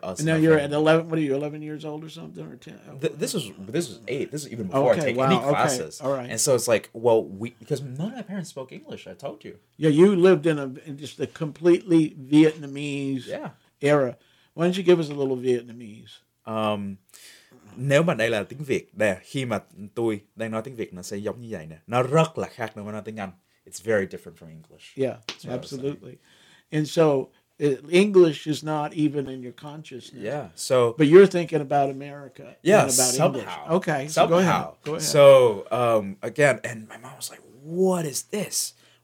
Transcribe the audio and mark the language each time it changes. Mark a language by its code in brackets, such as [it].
[en] And now you're at 11, what are you, 11 years old or something? Or 10? This was 8. This is even before any classes. Okay. All right. And so it's like, well, because none of my parents spoke English, I told you. Yeah, you lived in just a completely Vietnamese era. Why don't you give us a little Vietnamese? [vi] Nếu mà đây là tiếng Việt, đây, khi mà tôi đang nói tiếng Việt, nó sẽ giống như vậy nè. Nó rất là khác nếu mà nói tiếng Anh. [en] It's very different from English. Yeah, absolutely. And so English is not even in your consciousness. Yeah, so... But you're thinking about America. Yeah, about somehow. English. Okay, somehow. So go ahead. So, again, and my mom was like, what is this?